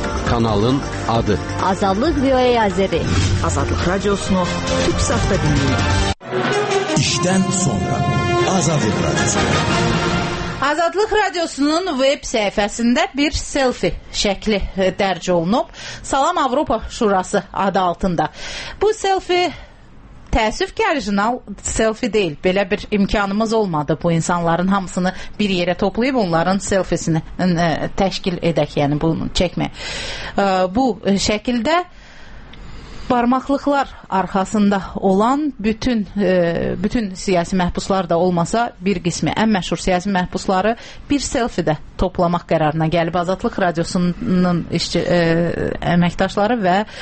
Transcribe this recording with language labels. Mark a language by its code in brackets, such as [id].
[az] Kanalın adı. [tr] Azadlıq VOA Azeri. Azadlıq Radiosunu Türksat'da dinleyin. [az] İşten sonra Azadlıq Radiosu. Azadlıq Radiosunun web səhifəsində bir selfie şəkli dərc olunub. Salam Avropa Şurası adı altında. Bu selfie təəssüf ki, orijinal selfie deyil. Belə bir imkanımız olmadı bu insanların hamısını bir yerə toplayıb onların selfiesini təşkil edək, yəni bunu çəkmək. Bu şəkildə barmaqlıqlar arxasında olan bütün siyasi məhbuslar da olmasa bir qismi ən məşhur siyasi məhbusları bir selfie də toplamaq qərarına gəlib Azadlıq Radiosunun işçi əməkdaşları və